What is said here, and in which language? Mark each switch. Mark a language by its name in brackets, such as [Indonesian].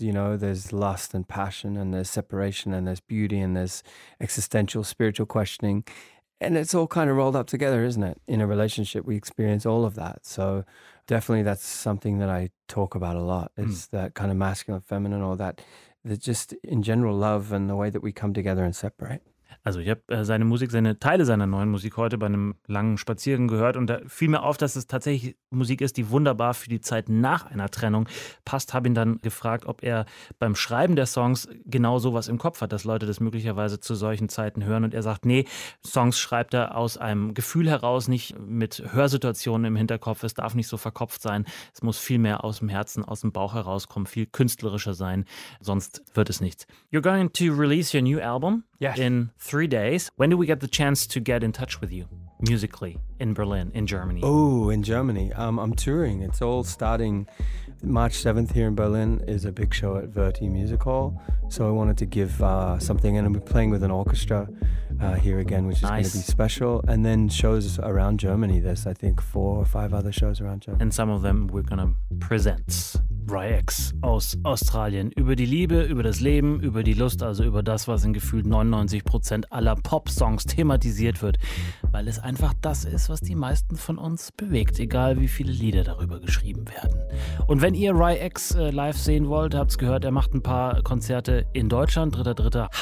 [English] You know, there's lust and passion and there's separation and there's beauty and there's existential spiritual questioning. And it's all kind of rolled up together, isn't it? In a relationship, we experience all of that. So definitely that's something that I talk about a lot. It's that kind of masculine, feminine, or that just in general love and the way that we come together and separate. [German] Also ich habe seine Musik, seine Teile seiner neuen Musik heute bei einem langen Spaziergang gehört und da fiel mir auf, dass es tatsächlich Musik ist, die wunderbar für die Zeit nach einer Trennung passt. Habe ihn dann gefragt, ob er beim Schreiben der Songs genau sowas im Kopf hat, dass Leute das möglicherweise zu solchen Zeiten hören. Und er sagt, nee, Songs schreibt er aus einem Gefühl heraus, nicht mit Hörsituationen im Hinterkopf. Es darf nicht so verkopft sein. Es muss viel mehr aus dem Herzen, aus dem Bauch herauskommen, viel künstlerischer sein. Sonst wird es nichts. [English] You're going to release your new album? Yes. In 3 days. When do we get the chance to get in touch with you musically in Berlin, in Germany? Oh, in Germany. I'm touring. It's all starting March 7th here in Berlin is a big show at Verti Music Hall. So I wanted to give something. And I'm playing with an orchestra here again, which is nice. Going to be special. And then shows around Germany. There's, I think, 4 or 5 other shows around Germany. And some of them we're going to present. [German] Ryex aus Australien. Über die Liebe, über das Leben, über die Lust, also über das, was in gefühlt 99% aller Pop-Songs thematisiert wird. Weil es einfach das ist, was die meisten von uns bewegt, egal wie viele Lieder darüber geschrieben werden. Und wenn ihr Ryex live sehen wollt, habt's gehört, er macht ein paar Konzerte in Deutschland. 3.3.